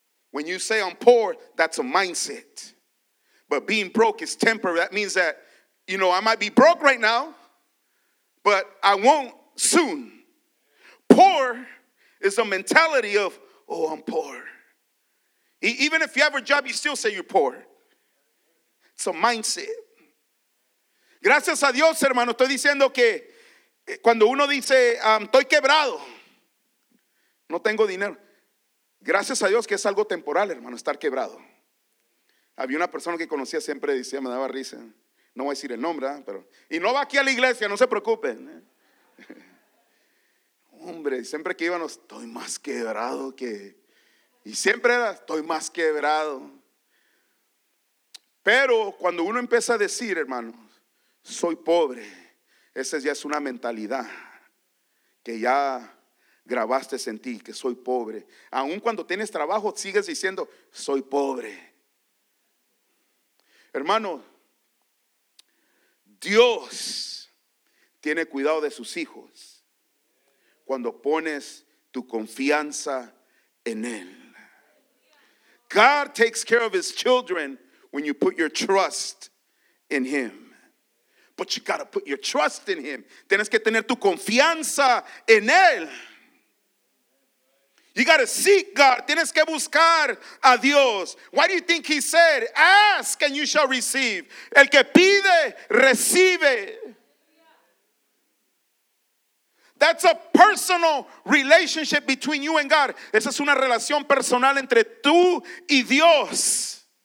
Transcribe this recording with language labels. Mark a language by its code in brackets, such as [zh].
[en] When you say I'm poor, that's a mindset. But being broke is temporary. That means that, you know, I might be broke right now, but I won't soon. Poor is a mentality of, oh, I'm poor. Even if you have a job, you still say you're poor. It's a mindset. [es] Gracias a Dios, hermano, estoy diciendo que cuando uno dice, estoy quebrado, no tengo dinero. Gracias a Dios que es algo temporal, hermano, estar quebrado. Había una persona que conocía, siempre decía, me daba risa. No voy a decir el nombre, ¿eh? Pero y no va aquí a la iglesia, no se preocupen. Hombre, siempre que íbamos, estoy más quebrado que... Y siempre era, estoy más quebrado. Pero cuando uno empieza a decir, hermano, soy pobre, esa ya es una mentalidad que ya grabaste en ti, que soy pobre. Aún cuando tienes trabajo, sigues diciendo, soy pobre. Hermano, Dios tiene cuidado de sus hijos cuando pones tu confianza en Él. [en] God takes care of His children when you put your trust in Him. But you gotta put your trust in Him. [es] Tienes que tener tu confianza en Él. [en] You gotta seek God. [es] Tienes que buscar a Dios. [en] Why do you think He said, ask and you shall receive? [es] El que pide, recibe. [en] That's a personal relationship between you and God. [es] Esa es una relación personal entre tú y Dios.